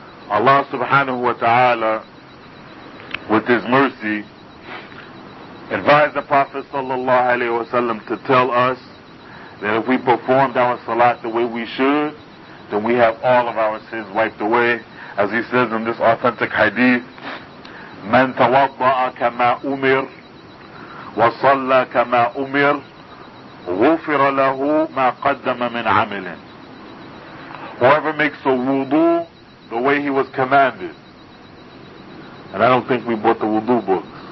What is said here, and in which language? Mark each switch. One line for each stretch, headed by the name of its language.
English: Allah subhanahu wa ta'ala, with his mercy, advised the Prophet sallallahu alaihi wasallam to tell us that if we performed our salat the way we should, then we have all of our sins wiped away. As he says in this authentic hadith,
Arabic: مَنْ تَوَضَّعَ كَمَا أُمِرْ وَصَلَّى كَمَا أُمِرْ غُفِرَ لَهُ مَا قَدَّمَ مِنْ عَمِلٍ.
English: Whoever makes a wudu the way he was commanded. And I don't think we bought the wudu books.